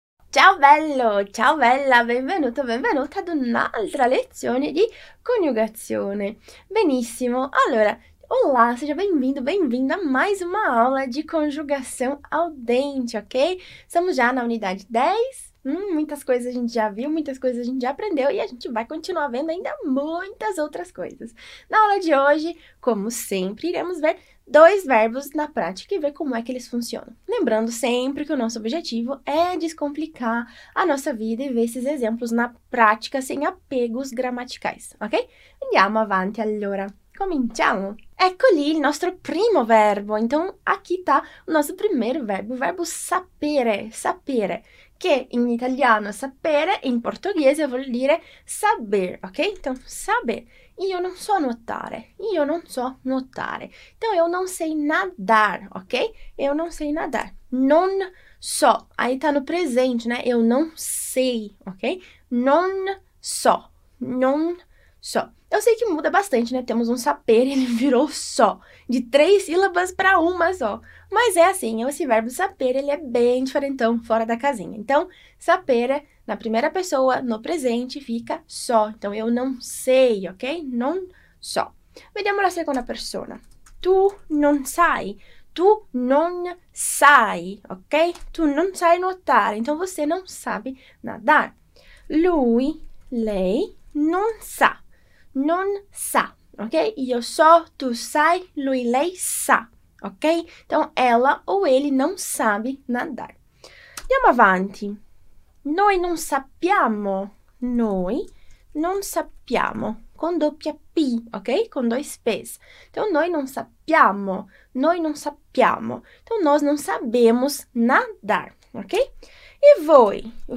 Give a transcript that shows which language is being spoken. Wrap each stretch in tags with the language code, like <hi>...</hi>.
<it>Ciao bello, ciao bella, benvenuto, benvenuta ad un'altra lezione di coniugazione.</it> <pt>Benissimo, allora, olá, seja bem-vindo, bem-vinda a mais uma aula de conjugação ao dente, ok? Estamos já na unidade 10, muitas coisas a gente já viu, muitas coisas a gente já aprendeu e a gente vai continuar vendo ainda muitas outras coisas. Na aula de hoje, como sempre, iremos ver dois verbos na prática e ver como é que eles funcionam. Lembrando sempre que o nosso objetivo é descomplicar a nossa vida e ver esses exemplos na prática sem apegos gramaticais, ok?</pt> <it>Andiamo avanti allora. Cominciamo. Ecco lì il nostro primo verbo.</it> <pt>Então, aqui tá o nosso primeiro verbo, o verbo sapere, sapere,</pt> <it>che in italiano sapere in portoghese vuol dire saber,</it> <pt>ok? Então, saber.</pt> <it>Io non so nuotare, io non so nuotare.</it> <pt>Então, eu não sei nadar, ok? Eu não sei nadar.</pt> <it>Non so,</it> <pt>aí tá no presente, né? Eu não sei, ok?</pt> <it>Non so, non so.</it> <pt>Eu sei que muda bastante, né? Temos um saper e ele virou só, de três sílabas para uma só. Mas é assim, esse verbo saper, ele é bem diferentão, fora da casinha. Então, sapere, na primeira pessoa, no presente, fica só. Então, eu não sei, ok?</pt> <it>Non so. Vediamo la seconda persona. Tu non sai. Tu non sai, ok? Tu non sai nuotare.</it> <pt>Então, você não sabe nadar.</pt> <it>Lui, lei, non sa. Non sa, ok? Io so, tu sai, lui, lei sa, ok?</it> <pt>Então, ela ou ele não sabe nadar.</pt> <it>Andiamo avanti. Noi non sappiamo, noi non sappiamo, con doppia P, ok? Con due spes.</it> <pt>Então,</pt> <it>noi non sappiamo,</it> <pt>então, nós non sabemos nadar, ok? E voi?</pt>